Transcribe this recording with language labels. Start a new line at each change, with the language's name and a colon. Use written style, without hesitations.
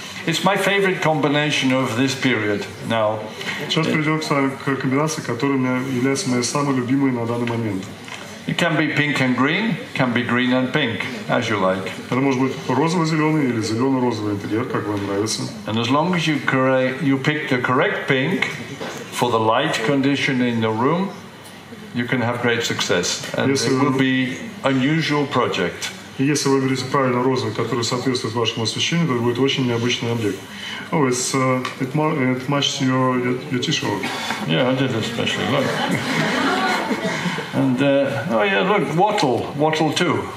English: It's my favorite combination of this period now.
Russian: Сейчас перейдем к комбинации, которая является моей самой любимой на данный момент.
English: It can be pink and green, can be green and pink, as you like.
Russian: Это может быть розово-зеленый или зелено-розовый интерьер, как вам нравится.
English: And as long as you pick the correct pink for the light condition in the room, you can have great success. And it will be unusual project.
Russian: И если вы выберете правильно розовый, который соответствует вашему освещению, то это будет очень необычный объект.
English: Oh, it's it matches your t-shirt. Yeah, I did especially. Look. And oh yeah, look, wattle too.